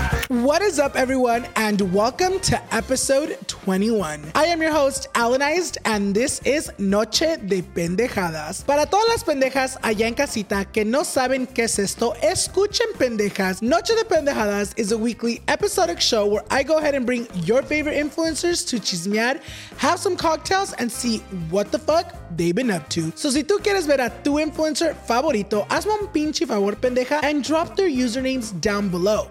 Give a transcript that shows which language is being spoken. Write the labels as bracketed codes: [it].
[en] What is up, everyone, and welcome to episode 21. I am your host, Alanized, and this is Noche de Pendejadas. [es] Para todas las pendejas allá en casita que no saben qué es esto, escuchen pendejas. [en] Noche de Pendejadas is a weekly episodic show where I go ahead and bring your favorite influencers to [es] chismear, [en] have some cocktails, and see what the fuck they've been up to. [es] So si tú quieres ver a tu influencer favorito, hazme un pinche favor, pendeja, [en] and drop their usernames down below.